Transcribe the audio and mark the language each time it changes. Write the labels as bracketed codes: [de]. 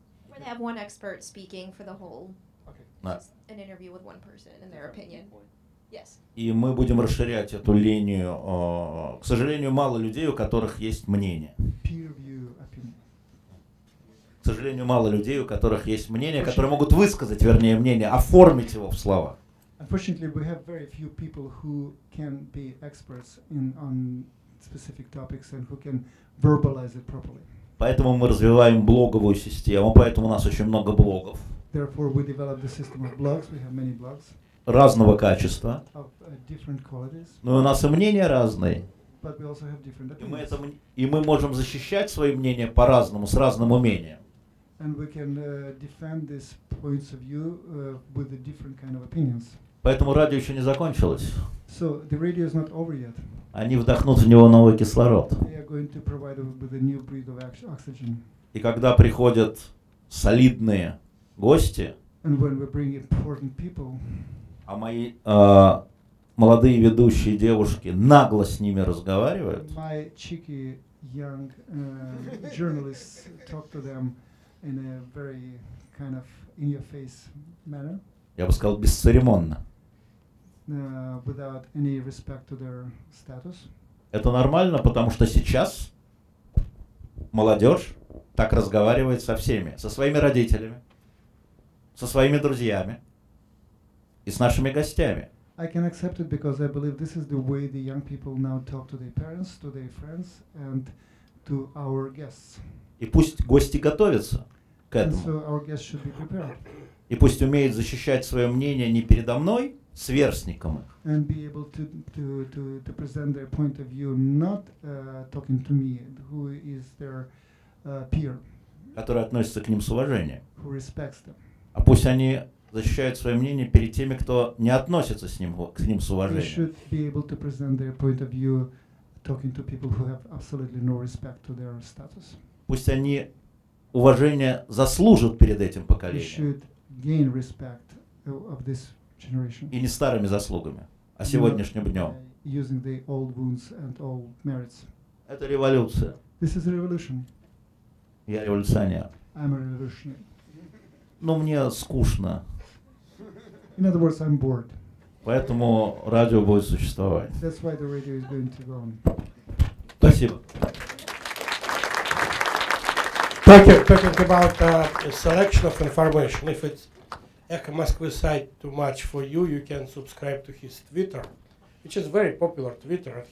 [en] Where they have one expert speaking for the whole. Okay. Just an interview with one person and their opinion. Yes. [ru] И мы будем расширять эту линию. К сожалению, мало людей, у которых есть мнение. [en] Peer view opinion. [ru] К сожалению, мало людей, у которых есть мнение, которые могут высказать, вернее, мнение, оформить его в слова. [en] Unfortunately, we have very few people who can be experts in on specific topics and who can verbalize it properly. [ru] Поэтому мы развиваем блоговую систему, поэтому у нас очень много блогов. [en] Therefore, we developed the system of blogs. We have many blogs. [ru] Разного качества. [en] Of different qualities. [ru] Но у нас и мнения разные. [en] But we also have different opinions. [ru] И мы можем защищать свои мнения по-разному, с разным умением. [en] And we can defend these points of view with a different kind of opinions. [ru] Поэтому радио еще не закончилось. [en] So the radio is not over yet. [ru] Они вдохнут в него новый кислород. [en] They are going to provide us with a new breath of oxygen. [ru] И когда приходят солидные гости, [en] and when we bring important people, [ru] а мои молодые ведущие девушки нагло с ними разговаривают, [en] my cheeky young journalists talk to them in a very kind of in your face manner. [ru] Я бы сказал, бесцеремонно. [en] Without any respect to their status. [ru] Это нормально, потому что сейчас молодежь так разговаривает со всеми, со своими родителями, со своими друзьями и с нашими гостями. [en] I can accept it because I believe this is the way the young people now talk to their parents, to their friends, and to our guests. [ru] И пусть гости готовятся к этому. [en] And so our guests should be prepared. [ru] И пусть умеют защищать свое мнение не передо мной, с сверстником их. [en] And be able to present their point of view, not talking to me, who is their peer. [ru] Который относится к ним с уважением. [en] Who respects them. [ru] А пусть они защищают свое мнение перед теми, кто не относится к ним с уважением. [en] They should be able to present their point of view talking to people who have absolutely no respect to their status. [ru] Пусть они уважение заслужат перед этим поколением. [en] They should gain respect of this generation. [ru] И не старыми заслугами, а сегодняшним днем. [en] Using the old wounds and old merits. [ru] Это революция. [en] This is a revolution. [ru] Я революционер. [en] I'm a revolutionary. [ru] Но мне скучно. [en] In other words, I'm bored. [ru] Поэтому радио будет существовать. [en] That's why the radio is going to go on. [ru] Спасибо. [en] Thank you. Talking about the selection of information. If it's Echo Moscow site too much for you, you can subscribe to his Twitter, which is very popular Twitter.